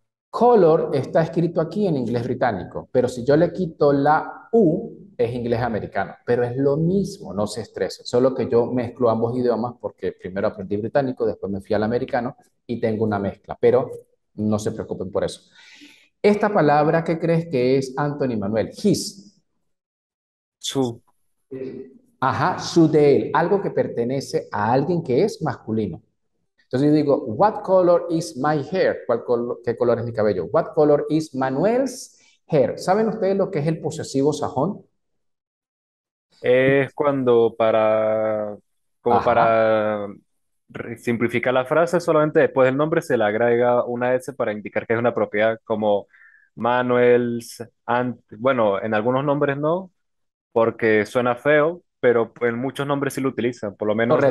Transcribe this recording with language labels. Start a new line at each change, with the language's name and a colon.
Spanish: Color está escrito aquí en inglés británico, pero si yo le quito la U, es inglés americano, pero es lo mismo, no se estrese, solo que yo mezclo ambos idiomas porque primero aprendí británico, después me fui al americano y tengo una mezcla, pero no se preocupen por eso. Esta palabra, ¿qué crees que es Anthony Manuel?
English: His.
Spanish: Su. Ajá, su de él, algo que pertenece a alguien que es masculino. Entonces yo digo,
English: what color is my hair?
Spanish: ¿Qué color es mi cabello?
English: What color is Manuel's hair?
Spanish: ¿Saben ustedes lo que es el posesivo sajón? Es cuando para, como Ajá. para simplificar la frase, solamente después del nombre se le agrega una S para indicar que es una propiedad, como Manuel's, bueno, en algunos nombres no, porque suena feo, pero en muchos nombres sí lo utilizan, por lo menos